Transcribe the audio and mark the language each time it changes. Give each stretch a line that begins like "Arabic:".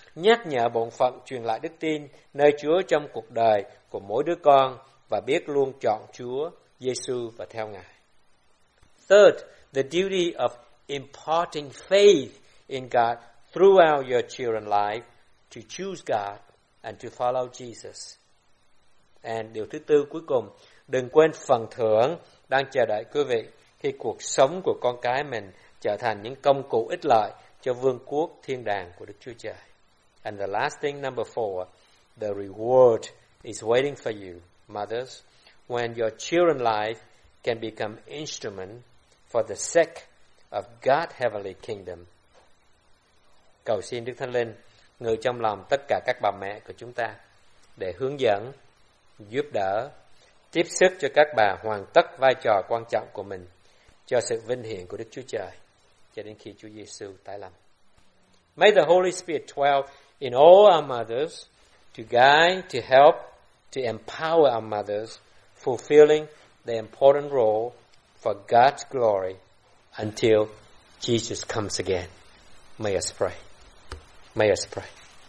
Vietnamese: nhắc nhở bổn phận truyền lại đức tin nơi Chúa trong cuộc đời của mỗi đứa con và biết luôn chọn Chúa Giêsu và theo Ngài.
English: Third, the duty of imparting faith in God throughout your children's life to choose God and to follow Jesus.
Vietnamese: And điều thứ tư cuối cùng, đừng quên phần thưởng đang chờ đợi quý vị khi cuộc sống của con cái mình trở thành những công cụ ích lợi cho vương quốc thiên đàng của Đức Chúa Trời.
English: And the last thing, number four, the reward is waiting for you, mothers, when your children's life can become instrument for the sake of God's heavenly kingdom.
Vietnamese: Cầu xin Đức Thánh Linh ngự trong lòng tất cả các bà mẹ của chúng ta để hướng dẫn, giúp đỡ, tiếp sức cho các bà hoàn tất vai trò quan trọng của mình cho sự vinh hiển của Đức Chúa Trời cho đến khi Chúa Giêsu tái lâm.
English: May the Holy Spirit dwell in all our mothers to guide, to help, to empower our mothers fulfilling the important role for God's glory until Jesus comes again. May us pray. May us pray.